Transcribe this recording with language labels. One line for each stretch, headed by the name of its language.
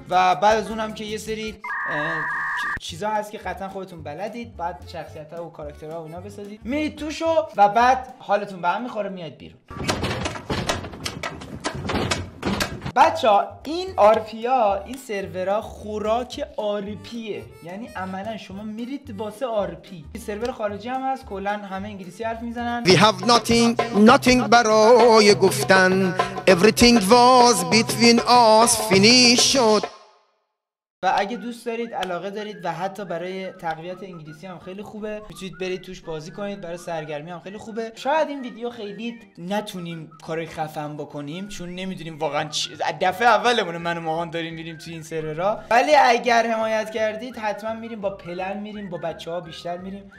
Persian: و بعد از اونم که یه سری چیزا هست که قطعا خودتون بلدید، بعد شخصیت ها و کاراکترها و اینا بسازید، میرید توشو و بعد حالتون به هم میخوره میاد بیرون. بچه ها این آرپی ها، این سرور ها خوراک آرپیه، یعنی عملا شما میرید واسه آرپی. سرور خارجی هم هست، کلن همه انگلیسی حرف میزنن.
English: We have nothing, nothing
Persian: برای گفتن.
English: Everything was between us, finish شد.
Persian: و اگه دوست دارید، علاقه دارید و حتی برای تقویت انگلیسی هم خیلی خوبه، میتونید برید توش بازی کنید، برای سرگرمی هم خیلی خوبه. شاید این ویدیو خیلی نتونیم کارای خفن بکنیم چون نمیدونیم واقعا دفعه اولمونه منو ماهان داریم میریم توی این سرورها، ولی اگر حمایت کردید حتما میریم با پلن، میریم با بچه‌ها بیشتر میریم.